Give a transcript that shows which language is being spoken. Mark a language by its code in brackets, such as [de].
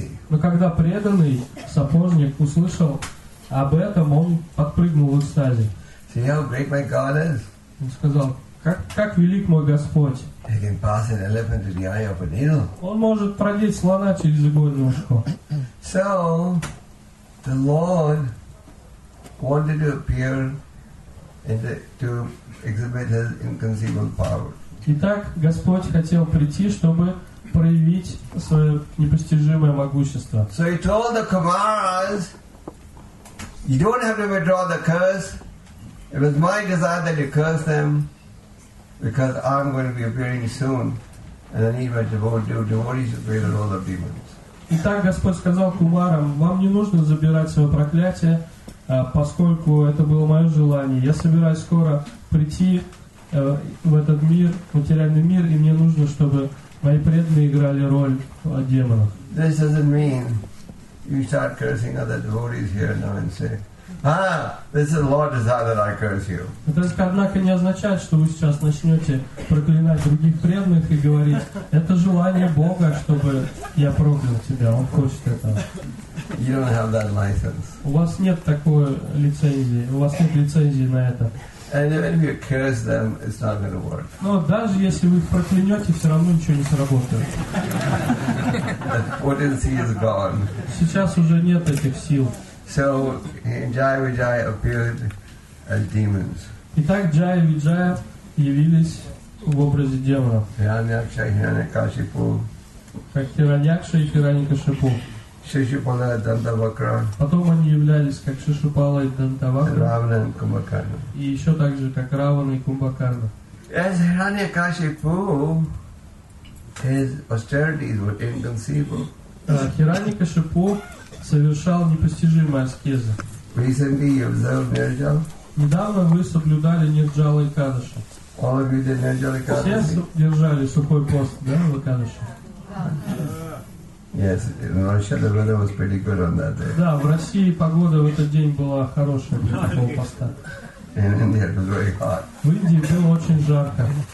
[ru] Но когда преданный сапожник услышал об этом, он подпрыгнул в экстазе. Он сказал: как велик мой Господь! [en] He can pass an elephant to the eye of a needle. [ru] Он может продеть слона через игольное ушко. [en] So, the Lord wanted to appear and to exhibit His inconceivable power. [ru] Итак, Господь хотел прийти, чтобы проявить свое непостижимое могущество. [en] So He told the Kumaras, "You don't have to withdraw the curse. It was My desire that you curse them." Because I'm going to be appearing soon, and then even devotees will create all the demons. [ru] Итак, Господь сказал кумарам, вам не нужно забирать свое проклятие, поскольку это было мое желание. Я собираюсь скоро прийти в этот мир, материальный мир, и мне нужно, чтобы мои преданные играли роль демонов. [en] This doesn't mean you start cursing other devotees here now and say, this is Lord desire that I curse you. [ru] Это, однако, не означает, что вы сейчас начнете проклинать других преданных и говорить: это желание Бога, чтобы я проклял тебя. Он хочет этого. [en] You don't have that license. [ru] У вас нет такой лицензии. У вас нет лицензии на это. [en] And even if you curse them, it's not going to work. [ru] Но даже если вы их проклянете, все равно ничего не сработает. [en] What is he is gone. [ru] Сейчас уже нет этих сил. [en] So Jaya Vijaya appeared as demons. [ru] Итак, Jaya Vijaya явились в образе демонов. [en] Hiranyaksha, Hiranyakashipu. [ru] Как Hiranyaksha и Hiranyakashipu. Shishupala и Dantavakra. Потом они являлись как Шишупала и Дантавакра. Равана и Кумбакарна. И еще также как Равана и Кумбакарна. [en] As Hiranyakashipu, his austerities were inconceivable. [ru] Hiranyakashipu совершал непостижимые аскезы. [en] Recently you observed Nirjala. [ru] Недавно вы соблюдали Нирджала и Кадыша. [en] All of you did Nirjala и Кадыша. [ru] Все держали сухой пост, да, в Кадыше? [en] Yes, Russia, the weather was pretty good on that day. [ru] Да, в России погода в этот день была хорошая для такого поста. [en] In India it was very hot. [ru] В Индии было очень жарко.